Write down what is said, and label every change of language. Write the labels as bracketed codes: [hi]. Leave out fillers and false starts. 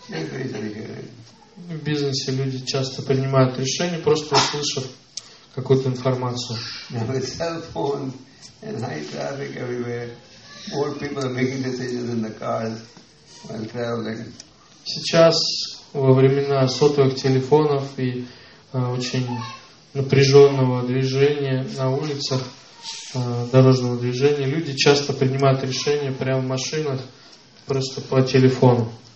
[ru] В бизнесе люди часто принимают решения, просто услышав какую-то информацию. [en] Now with cell phones and high traffic everywhere, more people are making decisions in the cars while traveling. [ru] Сейчас во времена сотовых телефонов и очень напряженного движения на улицах, дорожного движения, люди часто принимают решения прямо в машинах, просто по телефону.